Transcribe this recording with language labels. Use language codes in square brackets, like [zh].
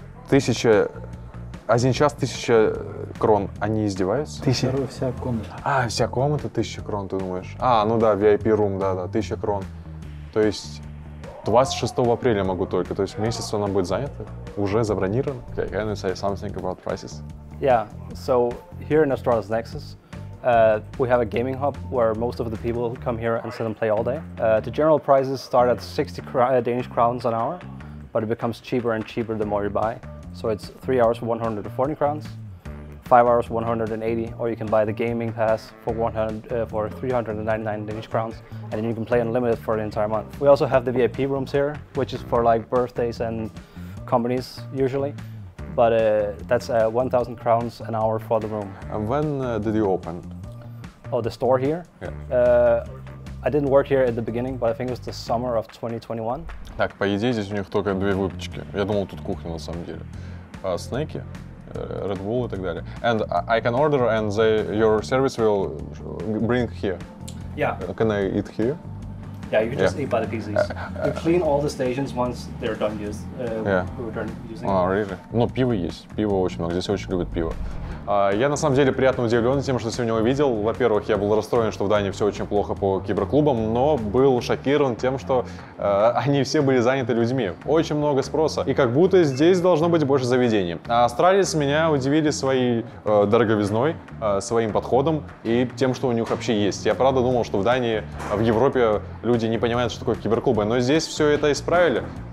[ru] Тысяча... Один час 1000 крон. Они издеваются? Тысяча... Здорово, вся комната. А, вся комната 1000 крон, ты думаешь? А, ну да, VIP-рум, да-да, 1000 крон. То есть 26 апреля могу только. То есть месяц она будет занята. Уже забронирована. [en] Okay, can you say something about prices? Yeah, so here in Astralis Nexus, we have a gaming hub where most of the people come here and sit and play all day. The general prices start at 60 Danish crowns an hour, but it becomes cheaper and cheaper the more you buy. So it's 3 hours for 140 crowns, 5 hours 180, or you can buy the gaming pass for 399 Danish crowns, and then you can play unlimited for the entire month. We also have the VIP rooms here, which is for like birthdays and companies usually. But that's 1,000 crowns an hour for the room. And when did you open? Oh, the store here? Yeah. I didn't work here at the beginning, but I think it was the summer of 2021. [ru] Так, по идее, здесь у них только две выпечки. Я думал, тут кухня на самом деле. Снеки, Red Bull и так далее. [en] And I can order and they, your service will bring here. Yeah. Can I eat here? Yeah, you can just eat by the PCs. We clean all the stations once they're done using. Oh, really? [ru] Но пиво есть. Пиво очень много. Здесь очень любят пиво. Я на самом деле приятно удивлен тем, что сегодня увидел. Во-первых, я был расстроен, что в Дании все очень плохо по киберклубам, но был шокирован тем, что они все были заняты людьми. Очень много спроса. И как будто здесь должно быть больше заведений. А Astralis меня удивили своей дороговизной, своим подходом и тем, что у них вообще есть. Я правда думал, что в Дании, в Европе люди не понимают, что такое киберклубы, но здесь все это исправили.